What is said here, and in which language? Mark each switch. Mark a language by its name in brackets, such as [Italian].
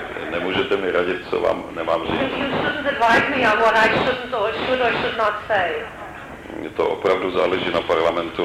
[Czech] Nemůžete mi radit, co vám nemám říct. [English] You shouldn't advise me on what I shouldn't or should or should not say. [Czech] Mně to opravdu záleží na parlamentu.